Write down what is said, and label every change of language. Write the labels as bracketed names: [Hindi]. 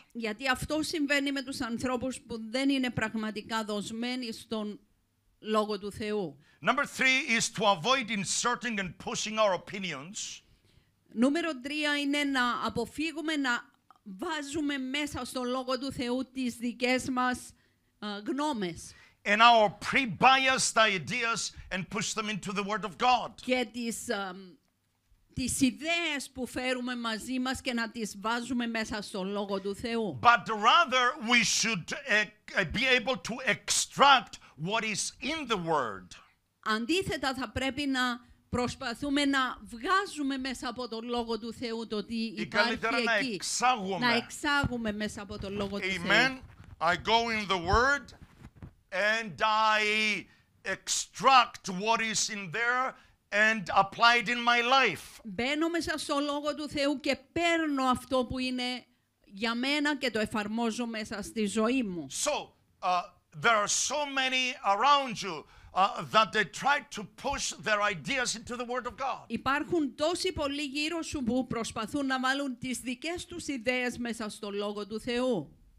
[Greek] Γιατί αυτό συμβαίνει με τους ανθρώπους που δεν είναι πραγματικά δοσμένοι στον λόγο του Θεού. [English] Number three is to avoid inserting and pushing our opinions. [Greek] Νούμερο τρία είναι να αποφύγουμε να βάζουμε μέσα στον λόγο του Θεού τις δικές μας γνώμες. [English] And our pre-biased ideas and push them into the Word of God. [Greek] Και τις ιδέες που φέρουμε μαζί μας και να τις βάζουμε μέσα στο λόγο του Θεού. [English] But rather we should be able to extract what is in the Word. [Greek] Αντίθετα, θα πρέπει να προσπαθούμε να βγάζουμε μέσα από τον λόγο του Θεού το τι υπάρχει εκεί. Να εξάγουμε. Να εξάγουμε μέσα από τον λόγο του Θεού. [English] Amen. I go in the Word and I extract what is in there and apply it in my life. [Greek] Μπαίνω μέσα στο λόγο του Θεού και παίρνω αυτό που είναι για μένα και το εφαρμόζω μέσα στη ζωή μου. [English] So, there are so many around you that they try to push their ideas into the Word of God. [Greek] Υπάρχουν τόσοι πολλοί γύρω σου που προσπαθούν να βάλουν τις δικές τους ιδέες μέσα στο λόγο του Θεού.